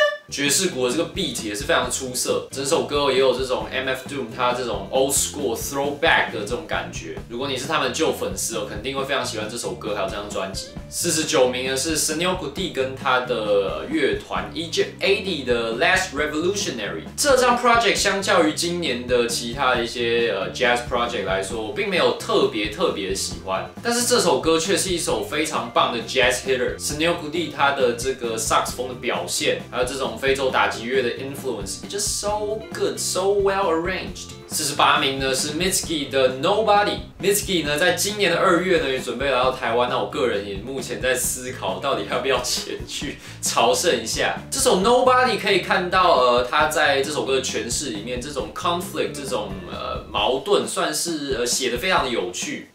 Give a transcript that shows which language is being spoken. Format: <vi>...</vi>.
<zh>爵士鼓的这个 beat 也是非常出色，整首歌也有这种 MF Doom 他这种 old school throwback 的这种感觉。如果你是他们的旧粉丝哦，肯定会非常喜欢这首歌还有这张专辑。 49名的是 Sunil Gotti 跟他的乐团 Egypt 80的 Last Revolutionary。这张 project 相较于今年的其他一些jazz project 来说，我并没有特别喜欢，但是这首歌却是一首非常棒的 jazz hitter。 Sunil Gotti 他的这个 sax 风的表现，还有这种非洲打击乐的 influence，</zh> <en>it's just so good, so well arranged。</en> <zh>48名呢是 Mitski 的 Nobody。Mitski 呢在今年的2月呢也准备来到台湾，那我个人也目前在思考到底要不要前去朝圣一下。这首 Nobody 可以看到他在这首歌的诠释里面，这种 conflict， 这种矛盾算是写得非常的有趣。</zh>